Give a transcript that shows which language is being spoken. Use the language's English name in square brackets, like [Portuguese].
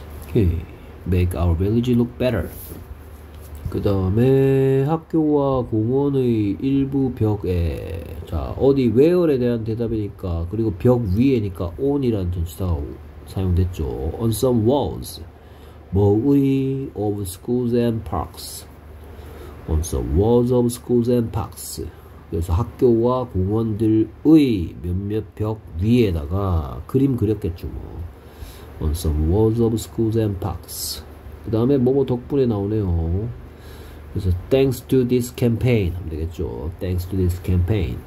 [English] Okay. Make our village look better. [Korean] 그 다음에 학교와 공원의 일부 벽에, 자, 어디, where에 대한 대답이니까, 그리고 벽 위에니까 on이라는 전치사가 사용됐죠. [English] On some walls, [Korean] 뭐의 [English] of schools and parks. On some walls of schools and parks. [Korean] 그래서 학교와 공원들의 몇몇 벽 위에다가 그림 그렸겠죠, 뭐. [English] On some walls of schools and parks. [Korean] 그 다음에 뭐뭐 덕분에 나오네요. 그래서 [English] thanks to this campaign [Korean] 하면 되겠죠. [English] Thanks to this campaign.